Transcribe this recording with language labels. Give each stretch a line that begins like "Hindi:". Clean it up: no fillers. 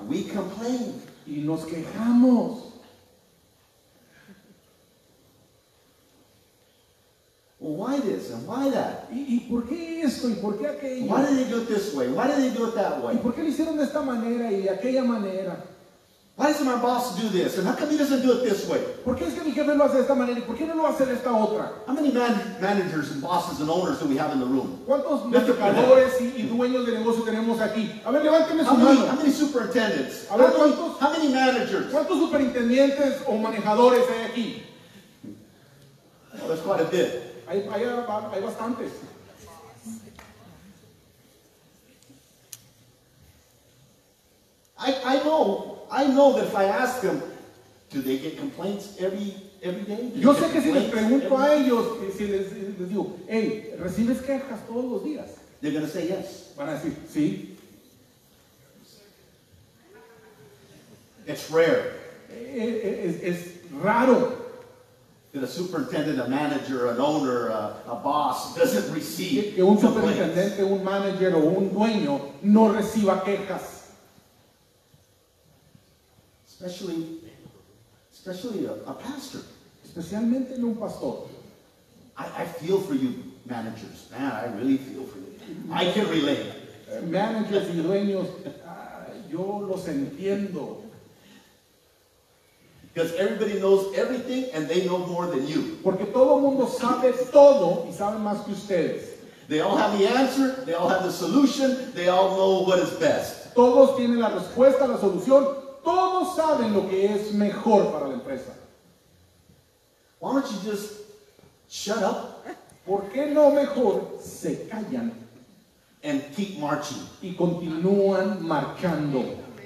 English: We complain.
Spanish: Y nos quejamos.
English: Why this and why that?
Spanish: ¿Y por qué esto y por qué aquello?
English: Why did they do it this way? Why did they do it that way?
Spanish: ¿Y por qué lo hicieron de esta manera y de aquella manera?
English: Why does my boss do this and how come he doesn't do it this way?
Spanish: ¿Por qué es que mi jefe lo hace de esta manera y por qué no lo hace de esta otra?
English: How many managers and bosses and owners do we have in the room?
Spanish: ¿Cuántos manejadores y dueños de negocio tenemos aquí? A ver, levánteme su mano.
English: How many superintendents?
Spanish: A ver, ¿cuántos?
English: How many managers?
Spanish: ¿Cuántos superintendentes o manejadores hay aquí?
English: Well, that's quite a bit.
Spanish: Hay bastantes.
English: I know that if I ask them, do they get complaints every day?
Spanish: Yo sé que si les pregunto a ellos, si les digo, hey, ¿recibes quejas todos los días?
English: They're going to say yes.
Spanish: Van a decir, sí.
English: It's rare.
Spanish: Es raro.
English: That a superintendent, a manager, an owner, a boss doesn't receive
Spanish: que un superintendente, un manager o un dueño no reciba quejas.
English: Especially a pastor.
Spanish: Especialmente en un pastor.
English: I feel for you managers. Man, I really feel for you. I can relate.
Spanish: managers y dueños, yo los entiendo.
English: Because everybody knows everything and they know more than you.
Spanish: Porque todo mundo sabe todo y sabe más que ustedes.
English: They all have the answer, they all have the solution, they all know what is best.
Spanish: Todos tienen la respuesta, la solución, todos saben lo que es mejor para la empresa.
English: Why don't you just shut up?
Spanish: ¿Por qué no mejor se callan?
English: And keep marching.
Spanish: Y continúan marchando.